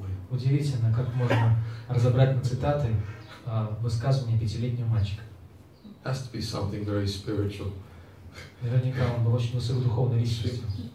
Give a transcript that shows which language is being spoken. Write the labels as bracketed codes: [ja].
[ru] Удивительно, как можно разобрать на цитаты высказывания пятилетнего мальчика. [en] Has to be something very spiritual. [ru] Наверняка он был очень высокой духовной личностью.